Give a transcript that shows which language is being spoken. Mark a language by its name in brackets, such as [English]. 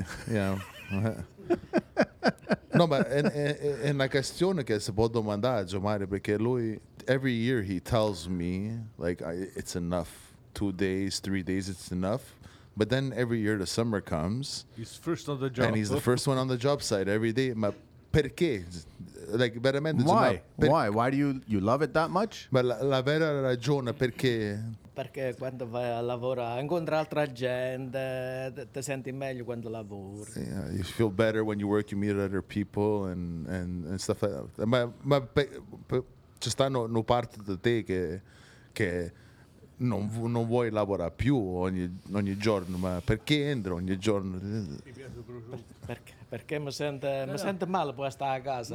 [English] Yeah. No, but [Italian] in la questione che si può domandare a Giomare, perché lui, [English] every year he tells me, like, it's enough. 2 days, 3 days, it's enough. But then every year the summer comes. He's first on the job. And he's the first one on the job site every day. [Italian] Ma perché? [English] Like, [Italian] veramente, [English] why? [Italian] Insomma, [English] why? Why do you love it that much? [Italian] Ma la vera ragione perché? Perché quando vai a lavorare incontri altra gente, ti senti meglio quando lavori. [English] Yeah, you feel better when you work, you meet other people and stuff like that. [Italian] Ma ci sta una parte di te che non vuoi lavorare più ogni giorno, ma perché entro ogni giorno? Perché mi sento male per stare a casa.